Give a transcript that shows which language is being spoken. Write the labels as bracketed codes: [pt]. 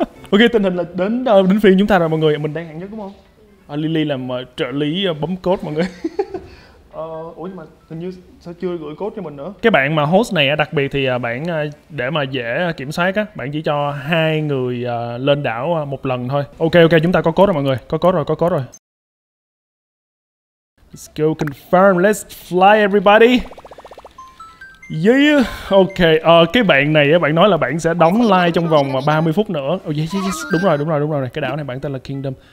[vi] Ok, tình hình là đến phiên chúng ta rồi mọi người. Mình đang hạng nhất đúng không? Lily làm trợ lý bấm code mọi người. Ủa nhưng mà hình như sao chưa gửi code cho mình nữa? Cái bạn mà host này đặc biệt thì bạn để mà dễ kiểm soát á, bạn chỉ cho 2 người lên đảo một lần thôi. Ok, chúng ta có code rồi mọi người. Có code rồi. [en] Let's go confirm, let's fly everybody. Yeah, ok, [vi] cái bạn này bạn nói là bạn sẽ đóng like trong vòng 30 phút nữa. [en] Oh yeah, yeah, yeah, [vi] đúng rồi. Cái đảo này bạn tên là Kingdom.